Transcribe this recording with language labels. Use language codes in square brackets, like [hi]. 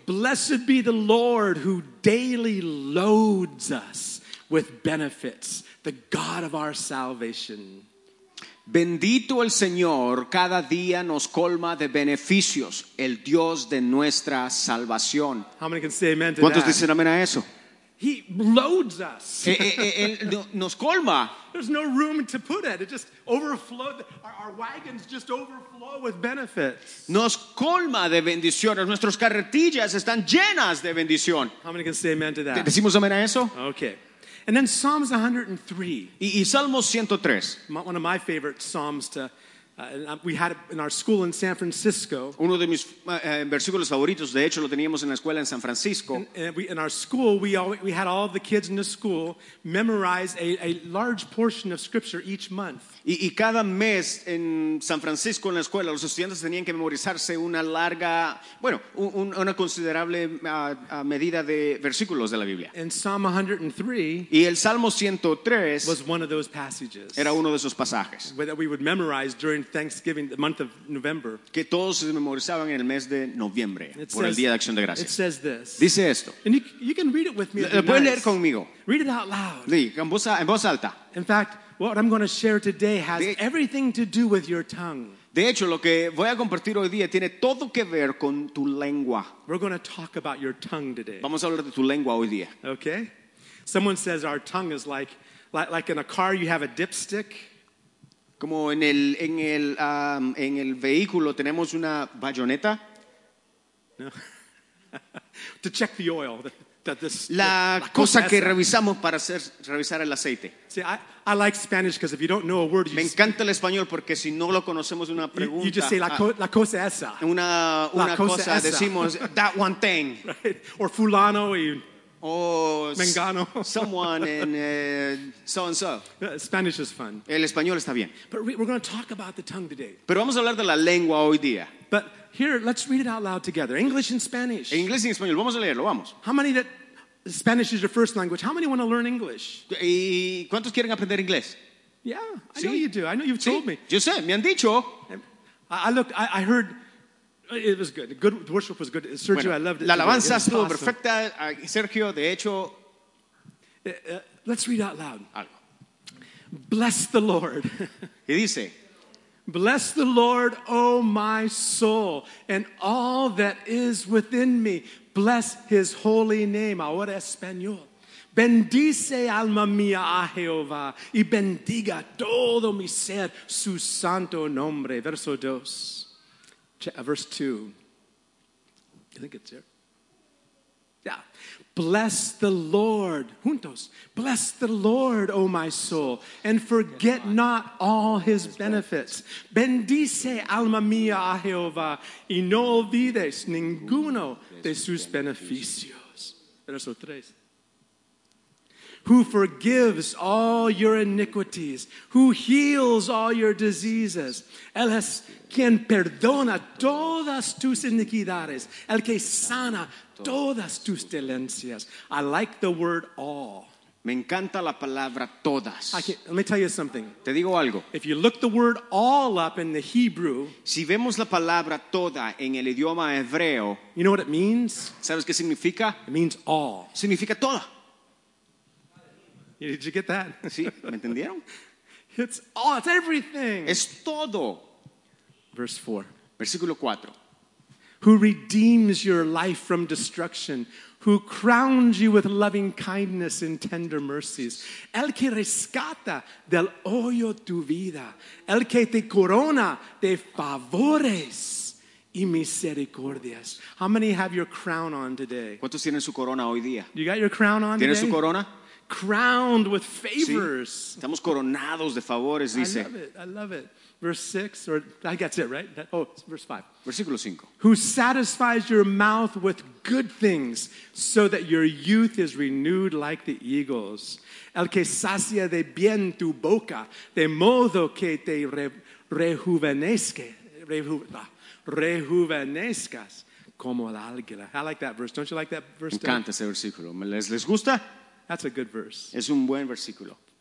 [en] Blessed be the Lord who daily loads us with benefits, the God of our salvation. [es] Bendito el Señor, cada día nos colma de beneficios, el Dios de nuestra salvación. [en] How many can say amen to [es] ¿Cuántos [en] that? [es] ¿Cuántos dicen amén a eso? [en] He loads us. [es] Él nos colma. [en] There's no room to put it. It just overflowed. Our wagons just overflow with benefits. [es] Nos colma de bendiciones. Nuestras carretillas están llenas de bendición. [en] How many can say amen to that? [es] ¿Decimos amen a eso? [en] Okay. And then Psalms 103. [es] Y Salmos 103. [en] One of my favorite psalms to... we had it in our school in San Francisco. [es] Uno de mis versículos favoritos, de hecho, lo teníamos en la escuela en San Francisco. [en] In our school, we had all the kids in the school memorize a large portion of Scripture each month. [es] Y cada mes en San Francisco en la escuela, los estudiantes tenían que memorizarse una larga, bueno, una considerable medida de versículos de la Biblia. [en] In Psalm 103, [es] y el Salmo 103 [en] was one of those passages. [es] Era uno de esos pasajes [en] that we would memorize during Thanksgiving, the month of November. [es] Que todos se memorizaban en el mes de noviembre por el Día de Acción de Gracias. [en] It says this. [es] Dice esto. [en] And you can read it with me. [es] Lo puedes leer conmigo. [en] Read it out loud. [es] Sí, en voz alta. [en] In fact, what I'm going to share today has everything to do with your tongue. [es] De hecho, lo que voy a compartir hoy día tiene todo que ver con tu lengua. [en] We're going to talk about your tongue today. [es] Vamos a hablar de tu lengua hoy día. [en] Okay. Someone says our tongue is like in a car you have a dipstick. [es] Como en el vehículo tenemos una bayoneta. [en] No. To check the oil. [es] La cosa que revisamos para revisar el aceite. [en] See, I like Spanish because if you don't know a word, [es] me encanta el español porque si no lo conocemos una pregunta. [en] You just say [es] la cosa esa. Una cosa decimos [en] that one thing. Right. Or [es] fulano y mengano. [en] Someone and so and so. Spanish is fun. [es] El español está bien. [en] But we're going to talk about the tongue today. [es] Pero vamos a hablar de la lengua hoy día. [en] But here, let's read it out loud together. English and Spanish. [es] En inglés y en español. Vamos a leerlo, vamos. [en] How many that Spanish is your first language? How many want to learn English? [es] ¿Y cuántos quieren aprender inglés? [en] Yeah, I know you do. I know you've told me. [es] Yo sé, me han dicho. [en] I heard It was good. Good worship was good. Sergio, bueno, I loved it. [es] La alabanza estuvo awesome. Perfecta. Sergio, de hecho. [en] Let's read out loud. [es] Algo. [en] Bless the Lord. [es] Y dice. [en] Bless the Lord, O my soul, and all that is within me. Bless his holy name. [es] Ahora español. Bendice alma mía a Jehová y bendiga todo mi ser su santo nombre. Verso 2. [en] Verse 2. I think it's here. Yeah. Bless the Lord. [es] Juntos. [en] Bless the Lord, O my soul, and forget not all his benefits. [es] Bendice alma mía a Jehová y no olvides ninguno de sus beneficios. Verso 3. [en] Who forgives all your iniquities, who heals all your diseases. [es] Él es quien perdona todas tus iniquidades, el que sana todas tus dolencias. [en] I like the word all. [es] Me encanta la palabra todas. [en] Let me tell you something. [es] Te digo algo. [en] If you look the word all up in the Hebrew, [es] si vemos la palabra toda en el idioma hebreo, [en] you know what it means? [es] ¿Sabes qué significa? [en] It means all. [es] Significa toda. [en] Did you get that? [es] Sí, ¿me entendieron? [en] It's all, it's everything. [es] Es todo. [en] Verse 4. [es] Versículo 4. [en] Who redeems your life from destruction, who crowns you with loving kindness and tender mercies. [es] El que rescata del hoyo tu vida, el que te corona de favores y misericordias. [en] How many have your crown on today? [es] ¿Cuántos tienen su corona hoy día? [en] You got your crown on [es] ¿Tienes [en] today? [es] Su corona? [en] Crowned with favors. [es] Sí, estamos coronados de favores, dice. [en] I love it. I love it. Verse 6, or I guess it, right? That, oh, verse 5. [es] Versículo 5. [en] Who satisfies your mouth with good things so that your youth is renewed like the eagles. [es] El que sacia de bien tu boca de modo que te rejuvenezcas como el águila. [en] I like that verse. Don't you like that verse? [es] Me encanta ese versículo. ¿Les gusta? [en] That's a good verse. [es] Es un buen versículo.